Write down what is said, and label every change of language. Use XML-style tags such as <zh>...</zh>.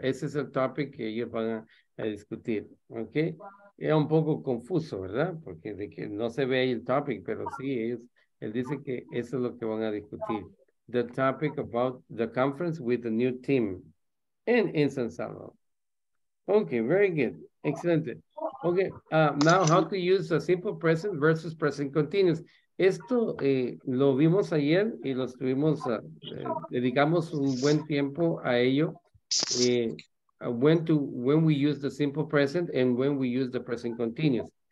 <es>Ese es el topic que ellos van a discutir. Ok. Es un poco confuso, ¿verdad? Porque de que no se ve ahí el topic, pero sí, él dice que eso es lo que van a discutir.</es> <en>The topic about the conference with the new team in San Salvador. Okay, very good. Excellent. Okay, now how to use a simple present versus present continuous.</en> <es>Esto lo vimos ayer y lo estuvimos, dedicamos un buen tiempo a ello.</es> <en>When we use the simple present and when we use the present continuous.</en>